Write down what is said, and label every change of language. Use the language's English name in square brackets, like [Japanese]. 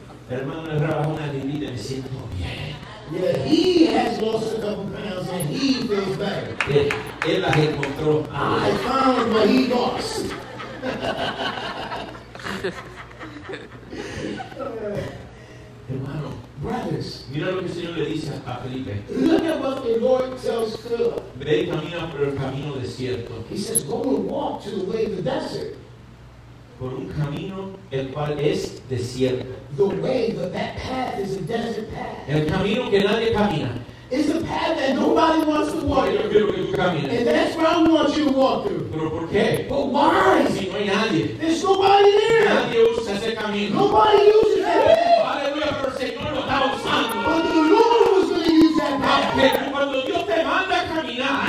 [Spanish] hermano, le grabas una divina y me siento bien. [English] Yeah, he has lost a couple pounds and he feels better. [Spanish] Yeah, él las encontró. [English] I found what he lost. [Spanish] Hermano, [English] brothers, [Spanish] mira lo que el Señor le dice a Felipe. [English] Look at what the Lord tells Philip. [Spanish] Ve y camina por el camino desierto. [English] He says, go and walk to the way of the desert. [Spanish] Por un camino el cual es desierto. [English] The way that that path is a desert path. [Spanish] El camino que nadie camina. [English] It's a path that nobody wants to walk through. [Spanish] Yo quiero que tú camines. [English] And that's where I want you to walk through. [Spanish] Pero ¿por qué? [English] But why? [Spanish] Si no hay nadie. [English] There's nobody there. [Spanish] Nadie usa ese camino. [English] Nobody uses that path. [Spanish] Aleluya, pero el Señor lo está usando. [English] But the Lord was going to use that path. [Spanish] Aunque cuando Dios te manda a caminar.